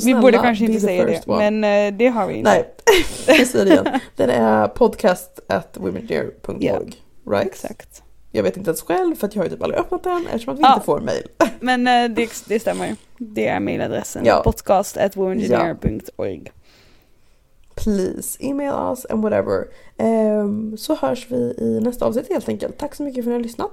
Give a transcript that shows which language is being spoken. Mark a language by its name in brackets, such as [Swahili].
[Swedish] snälla, vi borde kanske inte säga det one. Men det har vi inte. Nej, vi säger det igen, den är podcast@womenjr.org. [English] Yeah, right? [Swedish] Exakt. Jag vet inte ens själv, för att jag har ju typ aldrig öppnat den eftersom att vi inte får mejl. Men det stämmer, det är mejladressen. Ja. podcast@womenjr.org. [English] Please, email us and whatever. [Swedish] Så hörs vi i nästa avsnitt helt enkelt. Tack så mycket för att ni har lyssnat.